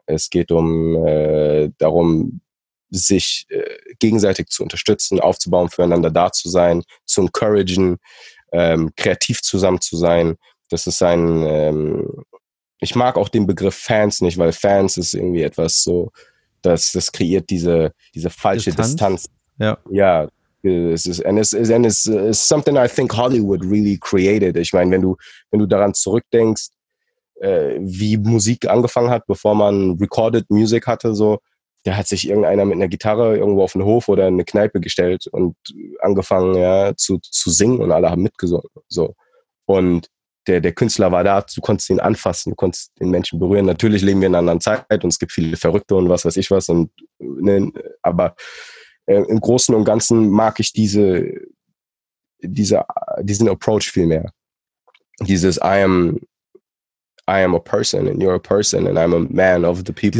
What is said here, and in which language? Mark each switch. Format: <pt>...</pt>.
<de>Es geht um darum, sich gegenseitig zu unterstützen, aufzubauen, füreinander da zu sein, zu encouragen, kreativ zusammen zu sein. Das ist ein, ich mag auch den Begriff Fans nicht, weil Fans ist irgendwie etwas so, dass das kreiert diese falsche Distanz. Ja. Ja,</de> <en>And it's something I think Hollywood really created.</en> <de>Ich meine, wenn du daran zurückdenkst, wie Musik angefangen hat, bevor man recorded music hatte, so, da hat sich irgendeiner mit einer Gitarre irgendwo auf den Hof oder in eine Kneipe gestellt und angefangen, ja, zu singen, und alle haben mitgesungen. So. Und der Künstler war da, du konntest ihn anfassen, du konntest den Menschen berühren. Natürlich leben wir in einer anderen Zeit und es gibt viele Verrückte und was weiß ich was. Und, ne, aber im Großen und Ganzen mag ich diesen Approach viel mehr.</de> <en>Dieses I am a person and you're a person and I'm a man of the people.</en>